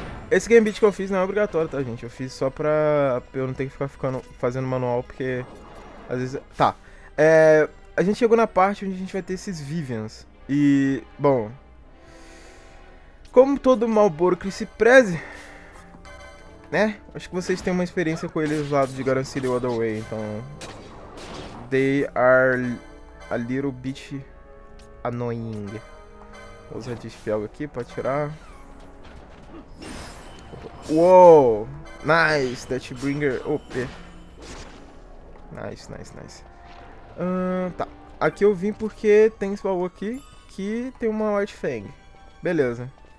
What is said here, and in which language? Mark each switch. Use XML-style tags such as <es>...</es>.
<pt>Esse gambit que eu fiz não é obrigatório, tá, gente? Eu fiz só pra eu não ter que ficar fazendo manual, porque... Às vezes... Tá. A gente chegou na parte onde a gente vai ter esses Vivians. E... Bom... Como todo Malboro que se preze... Né? Acho que vocês têm uma experiência com eles lá de Garden City ou Other Way, então...</pt> <en>They are a little bit annoying.</en> <pt>Vou usar de spell aqui pra tirar.</pt> <en>Uou! Nice! Deathbringer OP. Nice, nice, nice. Tá.</en> <pt>Aqui eu vim porque tem esse baú aqui que tem uma White Fang. Beleza.</pt>